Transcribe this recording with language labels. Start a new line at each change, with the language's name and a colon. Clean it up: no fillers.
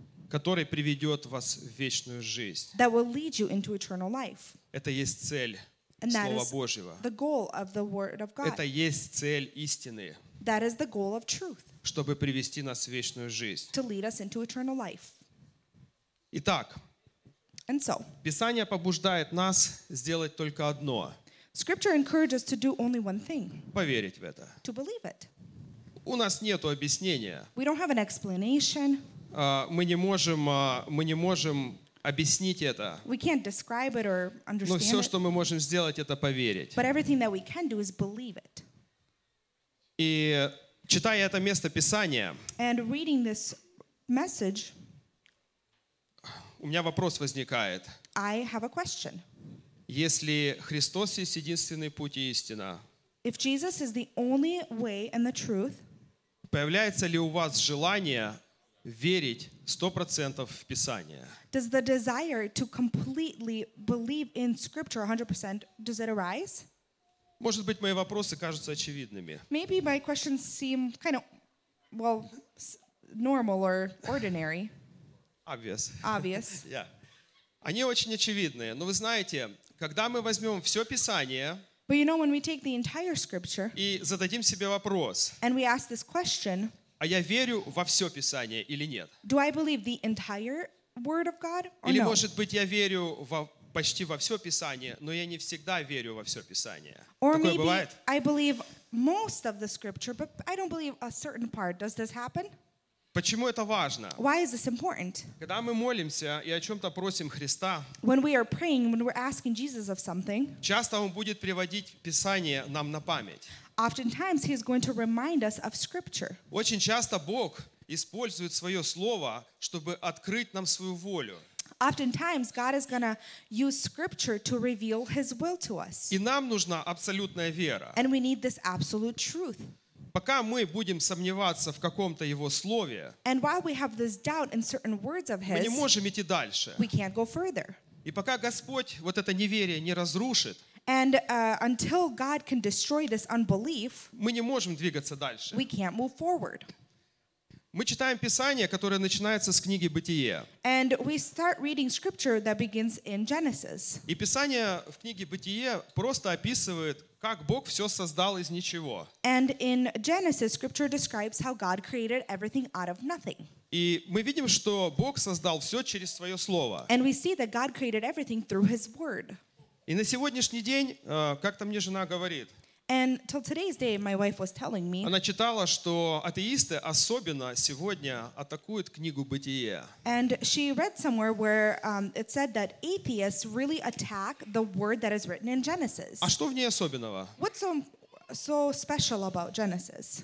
Russian: который приведет вас в вечную жизнь.
English: That will lead you into eternal life.
Russian: Это есть цель Слова Божьего.
English: And that is the goal of the Word of God.
Russian: Это есть цель истины.
English: That is the goal of truth.
Russian: Чтобы привести нас в вечную жизнь.
English: To lead us into eternal life.
Russian: Итак,
English: and so,
Russian: Писание побуждает нас сделать только одно.
English: Scripture encourages to do only one thing.
Russian: Поверить в это.
English: To believe it.
Russian: У нас нету объяснения.
English: We don't have an explanation.
Russian: Мы не можем объяснить это.
English: We can't describe it or understand
Russian: Но все,
English: it.
Russian: Что мы можем сделать, это поверить.
English: But everything that we can do is believe it.
Russian: И читая это место Писания,
English: and reading this message,
Russian: у меня вопрос возникает.
English: I have a question.
Russian: Если Христос есть единственный путь и истина,
English: if Jesus is the only way and the truth,
Russian: появляется ли у вас желание верить 100% в Писание?
English: Does the desire to completely believe in Scripture 100% does it arise?
Russian: Может быть, мои вопросы кажутся очевидными.
English: Maybe my questions seem kind of, well, normal or ordinary. Obvious. Obvious.
Russian: Yeah. Они очень очевидные. Но вы знаете, когда мы возьмем все Писание,
English: but you know, when we take the entire Scripture,
Russian: и зададим себе вопрос,
English: and we ask this question,
Russian: а я верю во все Писание или нет?
English: Do I believe the entire Word of God or
Russian: или,
English: no?
Russian: Может быть, я верю во... почти во все Писание, но я не всегда верю во все Писание.
English: Or
Russian: такое
English: maybe
Russian: бывает?
English: I believe most of the Scripture, but I don't believe a certain part. Does this happen?
Russian: Почему это важно?
English: Why is this important?
Russian: Когда мы молимся и о чем-то просим Христа,
English: when we are praying, when we're asking Jesus of something,
Russian: часто Он будет приводить Писание нам на память.
English: Oftentimes He is going to remind us of Scripture.
Russian: Очень часто Бог использует свое Слово, чтобы открыть нам свою волю.
English: Oftentimes, God is going to use Scripture to reveal His will to us.
Russian: И нам нужна абсолютная вера.
English: And we need this absolute truth.
Russian: Пока мы будем сомневаться в каком-то Его слове,
English: and while we have this doubt in certain words of His,
Russian: мы не можем идти дальше.
English: We can't go further.
Russian: И пока Господь вот это неверие не разрушит,
English: and until God can destroy this unbelief,
Russian: мы не можем двигаться дальше.
English: We can't move forward.
Russian: Мы читаем Писание, которое начинается с книги Бытие.
English: And we start reading scripture that begins in Genesis.
Russian: И Писание в книге Бытие просто описывает, как Бог все создал из ничего.
English: And in Genesis, scripture describes how God created everything out of nothing.
Russian: И мы видим, что Бог создал все через свое слово.
English: And we see that God created everything through His word.
Russian: И на сегодняшний день, как-то мне жена говорит.
English: And till today's day, my wife was telling me.
Russian: Она читала, что атеисты особенно сегодня атакуют книгу Бытие.
English: And she read somewhere where it said that atheists really attack the word that is written in Genesis.
Russian: А что в ней особенного?
English: What's so special about Genesis?